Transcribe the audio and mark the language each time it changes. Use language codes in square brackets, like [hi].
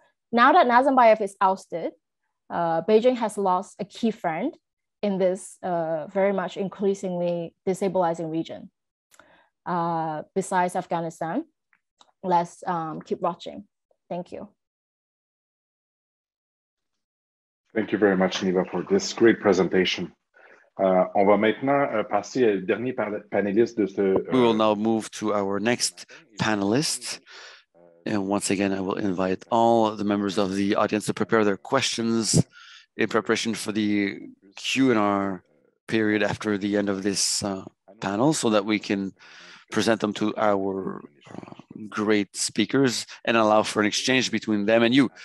[en] Now that Nazarbayev is ousted, Beijing has lost a key friend in this very much increasingly destabilizing region. Besides Afghanistan, let's keep watching. Thank you. Thank you very much, Niva, for this great presentation. [fr] On va maintenant passer au dernier panéliste de ce. [en] We will now move to our next panelist. And once again, I will invite all the members of the audience to prepare their questions in preparation for the Q&R period after the end of this panel, so that we can present them to our great speakers and allow for an exchange between them and you.